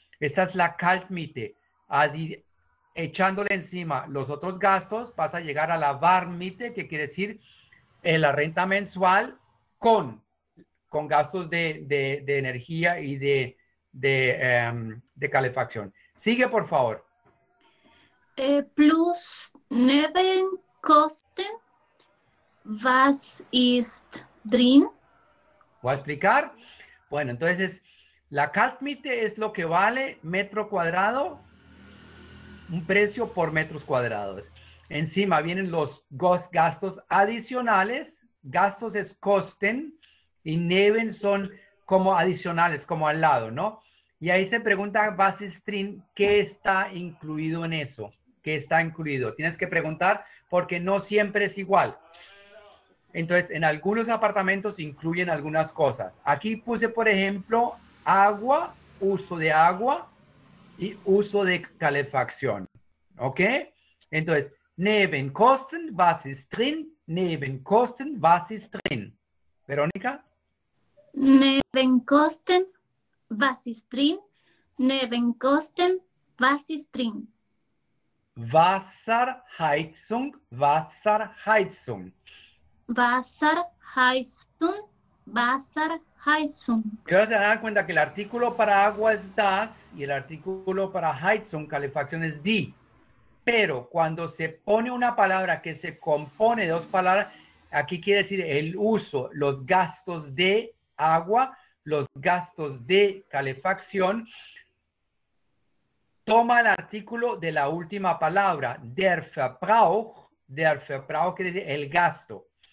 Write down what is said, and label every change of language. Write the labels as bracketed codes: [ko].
[es] Esa es la Kaltmiete. Echándole encima los otros gastos, vas a llegar a la Warmmiete, que quiere decir la renta mensual con gastos de energía y de calefacción. Sigue, por favor. [de] Plus Nebenkosten, was ist drin? [es] ¿Voy a explicar? Bueno, entonces, la Kaltmiete es lo que vale metro cuadrado, un precio por metros cuadrados. Encima vienen los gastos adicionales. Gastos es kosten y neben son como adicionales, como al lado, ¿no? Y ahí se pregunta, [de] was ist drin, [es] ¿qué está incluido en eso? ¿Qué está incluido? Tienes que preguntar porque no siempre es igual. Entonces, en algunos apartamentos incluyen algunas cosas. Aquí puse, por ejemplo, agua, uso de agua y uso de calefacción, ¿ok? [de] Entonces, Nebenkosten, was ist drin? Nebenkosten, was ist drin? Verónica? Nebenkosten, was ist drin? Nebenkosten, was ist drin? Wasserheizung, Wasserheizung. Wasserheizung, Wasserheizung. [es] Y ahora se dan cuenta que el artículo para agua es das y el artículo para Heizung, calefacción, es die. Pero cuando se pone una palabra que se compone de dos palabras, aquí quiere decir el uso, los gastos de agua, los gastos de calefacción, toma el artículo de la última palabra, [de] der Verbrauch [es] quiere decir el gasto.